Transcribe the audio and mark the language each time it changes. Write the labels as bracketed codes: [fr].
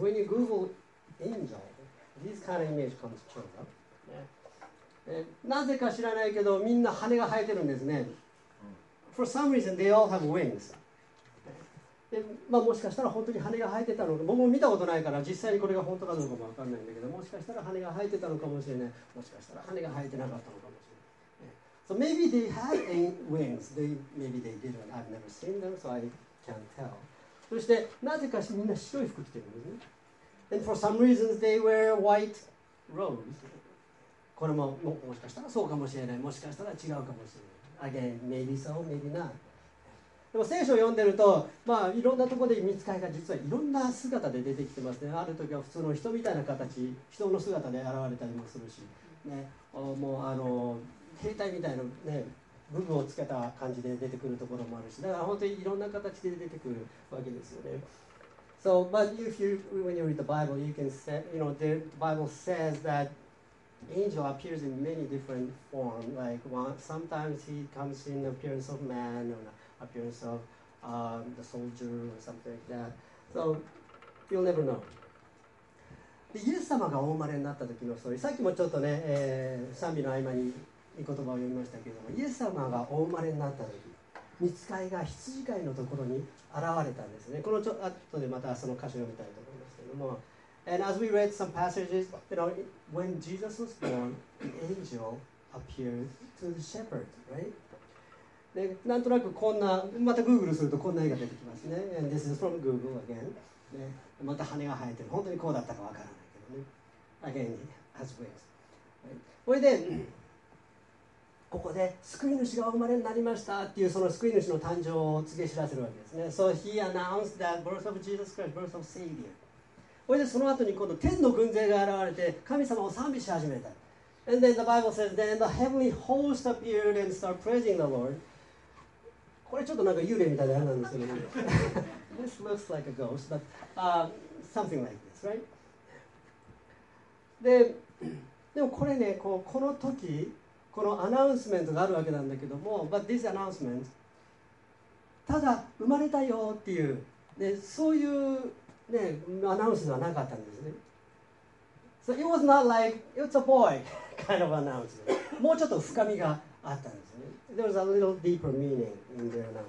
[en] When you Google angel, this kind of image comes to mind. [ja] なぜか知らないけど、みんな羽が生えてるんですね。 [en] For some reason, they all have wings. [ja] でまあ、もしかしたら本当に羽が生えてたのか、僕も見たことないから実際にこれが本当かどうかも分からないんだけど、もしかしたら羽が生えてたのかもしれない、もしかしたら羽が生えてなかったのかもしれない。 [en] So maybe they had wings, they, maybe they didn't. I've never seen them, so I can't tell. [ja] そしてなぜかしみんな白い服着てるんですね。 [en] And for some reasons they wear white robes. [ja] これも もしかしたらそうかもしれない、もしかしたら違うかもしれない。 [en] Again, maybe so, maybe not. [ja] でも聖書を読んでると、まあ、いろんなところで見つかりが実はいろんな姿で出てきてますね。ある時は普通の人みたいな形、人の姿で現れたりもするし、ね、もうあの兵隊みたいな、ね、武具をつけた感じで出てくるところもあるし、だから本当にいろんな形で出てくるわけですよね。 [en] So, but if you, when you read the Bible, you can say, you know, the Bible says that angel appears in many different forms, like one, sometimes he comes in the appearance of man, or appearance of the soldier or something like that. So you'll never know. [ja] でイエス様がお生まれになった時のストーリー、さっきもちょっとね、賛美の合間に言葉を読みましたけども、イエス様がお生まれになった時、御使いが羊飼いのところに現れたんですね。このちょっとでまたその箇所読みたいと思いますけども、 [en] And as we read some passages, you know, when Jesus was born, the angel appeared to the shepherd, right? [ja] でなんとなくこんな、またグーグルするとこんな絵が出てきますね。 [en] And this is from Google again.、 [ja] ね、また羽が生えてる。本当にこうだったかわからないけどね。 [en] Again, as well. [ja] それで、ここで救い主がお生まれになりましたっていうその救い主の誕生を告げ知らせるわけですね。 [en] So he announced that birth of Jesus Christ, birth of Savior. [ja] それでその後に今度天の軍勢が現れて神様を賛美し始めた。 [en] And then the Bible says, then the heavenly host appeared and started praising the Lord. [ja] これちょっとなんか幽霊みたいな話なんですけど、ね、 [en] This looks like a ghost, but something like this, right? [ja] でもこれね、この時、このアナウンスメントがあるわけなんだけども、 [en] But this announcement, [ja] ただ生まれたよっていう、ね、そういう、ね、アナウンスではなかったんですね。 [en] So it was not like, it's a boy kind of announcement. [ja] もうちょっと深みがあったんですね。 [en] There's a little deeper meaning in the announcement.